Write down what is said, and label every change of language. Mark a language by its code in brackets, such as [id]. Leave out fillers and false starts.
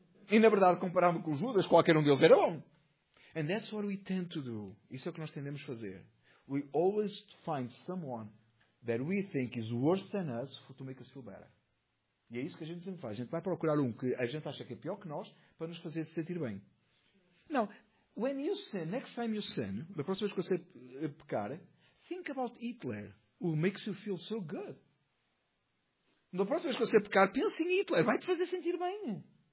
[pt] E na verdade, comparando com Judas, qualquer um deles era bom. [en] And that's what we tend to do. [pt] Isso é o que nós tendemos a fazer. [en] We always find someone that we think is worse than us to make us feel better. [pt] E é isso que a gente sempre faz. A gente vai procurar um que a gente acha que é pior que nós para nos fazer se sentir bem. Não. [en] When you sin, next time you sin, the [pt] próxima vez que você pecar, [en] think about Hitler, who makes you feel so good. [pt] Na próxima vez que você pecar, pense em Hitler, vai-te fazer sentir bem.